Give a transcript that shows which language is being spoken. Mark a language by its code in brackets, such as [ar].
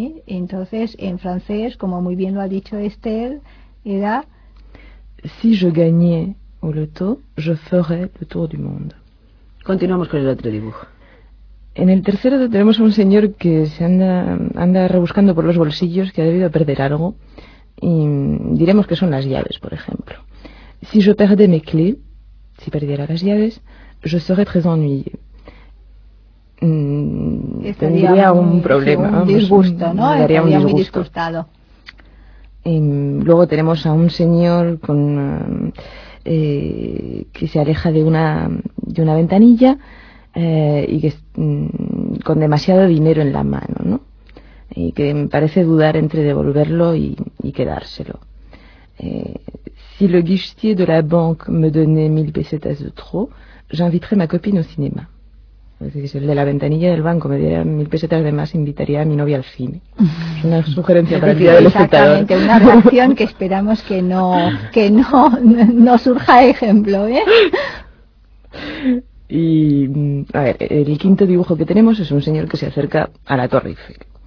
[es] Entonces, en francés, como muy bien lo ha dicho Esther, era... [fr] Si je gagne au loto, je ferai le tour du monde. [es] Continuamos con el otro dibujo. En el tercero tenemos a un señor que se anda rebuscando por los bolsillos, que ha debido perder algo, y diremos que son las llaves, por ejemplo. [fr] Si je perdais mes clés, [es] si perdiera las llaves, [fr] je serais très ennuyé. [es] Tendría un problema, un disgusto, ¿no? Daría un disgusto. Muy disgustado. Y luego tenemos a un señor con que se aleja de una ventanilla. Y que con demasiado dinero en la mano, ¿no? Y que parece dudar entre devolverlo y quedárselo. [fr] Si le guichetier de la banque me donnait 1000 pesetas de trop, j'inviterais ma copine au cinéma. [es] Es decir, si el de la ventanilla del banco me diera 1000 pesetas de más, invitaría a mi novia al cine. Es una sugerencia para el día del espectador. Exactamente, una reacción que esperamos que no surja ejemplo, Y, a ver, el quinto dibujo que tenemos es un señor que se acerca a la Torre Eiffel.